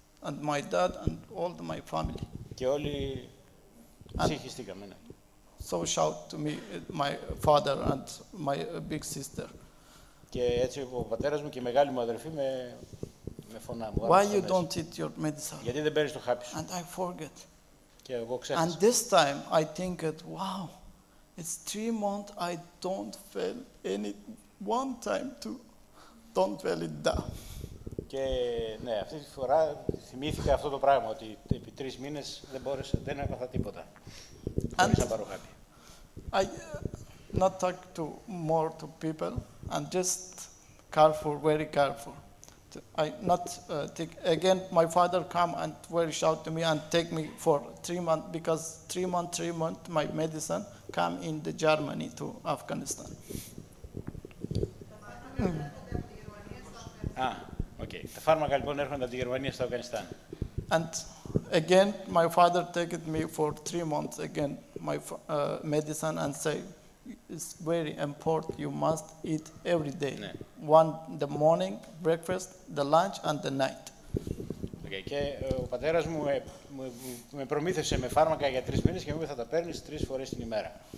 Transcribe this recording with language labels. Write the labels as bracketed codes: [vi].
[en] And my dad and all my family. [el] Και όλοι ψυχιστήκαμε. Ναι. [en] So shout to me my father and my big sister. [el] Και έτσι ο πατέρας μου και η μεγάλη μου αδερφή με φωνά μου. [en] Why you don't eat your medicine? [el] Γιατί δεν παίρνεις το χάπι σου. [en] And I forget. [el] Και εγώ ξέχασα. [en] And this time I think it, wow, it's 3 months I don't fail any one time to don't fail it down. [el] Και ναι, αυτή τη φορά θυμήθηκα αυτό το πράγμα, ότι επί 3 μήνες δεν μπόρεσα, δεν έπαθα τίποτα. Χωρίς να πάρω κάτι. [en] I not talk to more to people and just careful, very careful. I not take again. My father come and very shout to me and take me for 3 months because three months my medicine come in the Germany to Afghanistan. Ah, okay. The [el] pharmaca λοιπόν έρχονται από τη Γερμανία στο Αφγανιστάν. [en] And again, my father take me for 3 months again my medicine and say it's very important. You must eat every day. One the morning breakfast, the lunch and the night. Okay. [el] Και ο πατέρας μου με προμήθησε με φάρμακα για 3 μήνες και μου είπε θα τα παίρνεις 3 φορές την ημέρα.